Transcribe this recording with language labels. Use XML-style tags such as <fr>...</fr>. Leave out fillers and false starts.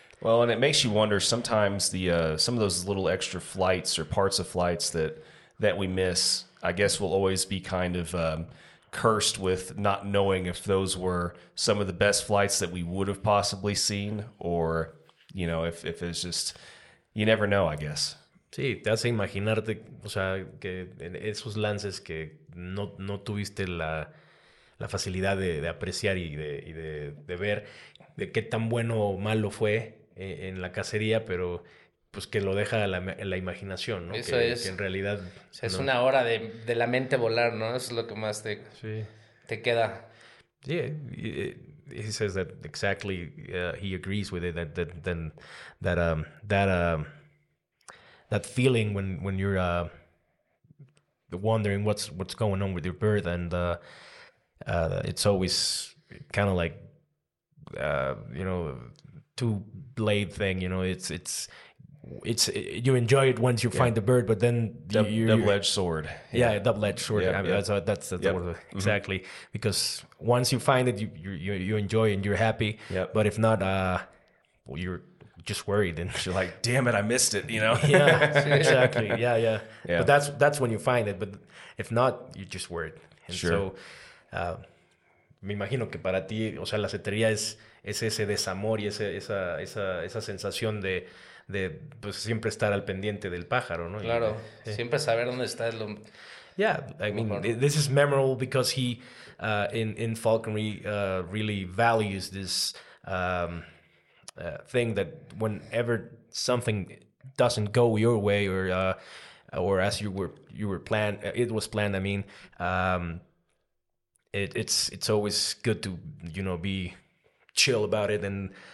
<en>Well, and it makes you wonder sometimes the some of those little extra flights or parts of flights that we miss, I guess we'll always be kind of cursed with not knowing if those were some of the best flights that we would have possibly seen, or, you know, if it's just, you never know, I guess.</en> <es>Sí, te hace imaginarte, o sea, que esos lances que no tuviste la facilidad de apreciar y de ver de qué tan bueno o malo fue en la cacería, pero pues que lo deja la imaginación, ¿no? Eso que en realidad... O sea, es una hora de la mente volar, ¿no? Eso es lo que más te queda.</es> <en>Sí, he says that exactly, he agrees with it, that feeling when you're wondering what's going on with your bird, and it's always kind of like, you know, two blade thing, you know, it's you enjoy it once you find the bird, but then double-edged sword. Yeah, yeah, double-edged sword. Yep, I mean, yep. That's yep. Exactly. Mm-hmm. Because once you find it, you enjoy and you're happy. Yep. But if not, well, you're just worried and you're like, damn it, I missed it, you know? Yeah, exactly. Yeah, yeah, yeah. But that's when you find it. But if not, you're just worried. And sure.</en> <es>So, me imagino que para ti, o sea, la cetería es ese desamor y esa sensación de pues siempre estar al pendiente del pájaro, ¿no? Claro, siempre saber dónde está el...</es> <en>Yeah, I mean, this is memorable because he, in falconry, really values this thing that whenever something doesn't go your way or as you were planned, it was planned, I mean, it's always good to, you know, be chill about it and...</en>